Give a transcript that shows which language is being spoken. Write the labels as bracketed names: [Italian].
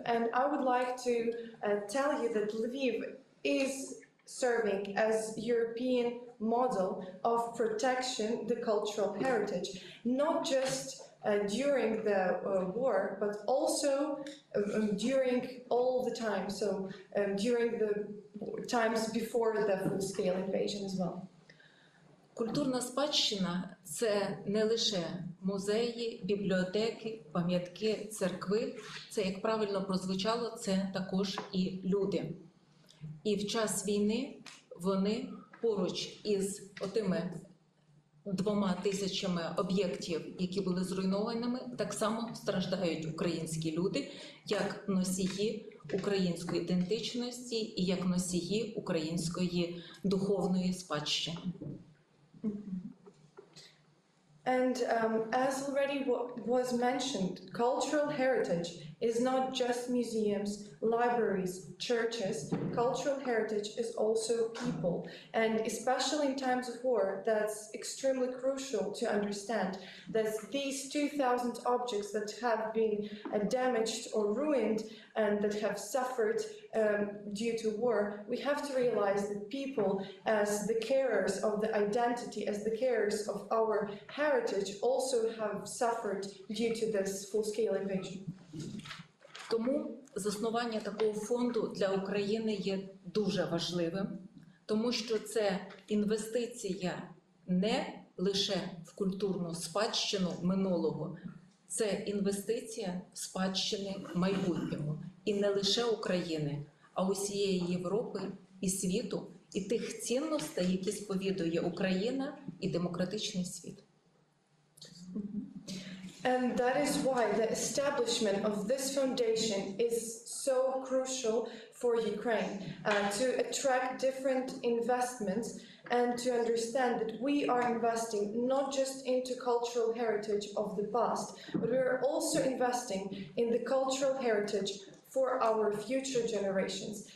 [English] And I would like to tell you that Lviv is serving as European model of protection the cultural heritage, not just during the war, but also during all the time. So during the times before the full-scale invasion as well. [Ukrainian] Культурна спадщина – це не лише музеї, бібліотеки, пам'ятки, церкви. Це, як правильно прозвучало, це також і люди. І в час війни вони поруч із отими двома тисячами об'єктів, які були зруйнованими, так само страждають українські люди, як носії української ідентичності і як носії української духовної спадщини. [English] And as already was mentioned, cultural heritage is not just museums, libraries, churches. Cultural heritage is also people. And especially in times of war, that's extremely crucial to understand that these 2,000 objects that have been damaged or ruined and that have suffered due to war, we have to realize that people, as the carers of the identity, as the carers of our heritage, also have suffered due to this full-scale invasion. [Ukrainian] Тому заснування такого фонду для України є дуже важливим, тому що це інвестиція не лише в культурну спадщину минулого, це інвестиція в спадщини майбутнього. І не лише України, а усієї Європи і світу, і тих цінностей, які сповідує Україна і демократичний світ. [English] And that is why the establishment of this foundation is so crucial for Ukraine, to attract different investments and to understand that we are investing not just into cultural heritage of the past, but we are also investing in the cultural heritage for our future generations.